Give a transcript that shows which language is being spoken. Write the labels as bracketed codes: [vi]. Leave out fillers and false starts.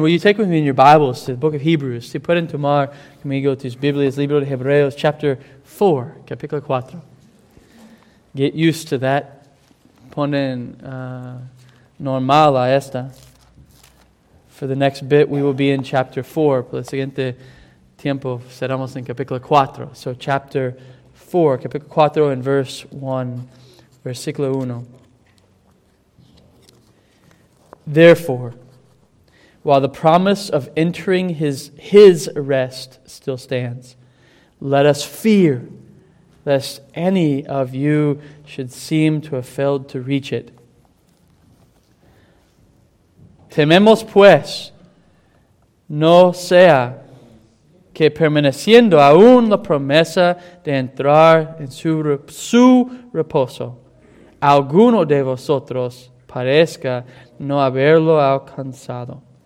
[en] Will you take with me in your Bibles to the book of Hebrews? [es] Si pueden tomar conmigo tus Biblias, libro de Hebreos, [en] chapter 4, [es] capítulo 4. [en] Get used to that. [es] Ponen normal a esta. [en] For the next bit, we will be in chapter 4. [es] Por el siguiente tiempo, seremos en capítulo 4. [en] So, chapter 4, [es] capítulo 4, [en] and verse 1, [es] versículo 1. [en] Therefore, while the promise of entering his rest still stands, let us fear lest any of you should seem to have failed to reach it. [es] Tememos pues, no sea que permaneciendo aún la promesa de entrar en su reposo, alguno de vosotros parezca no haberlo alcanzado.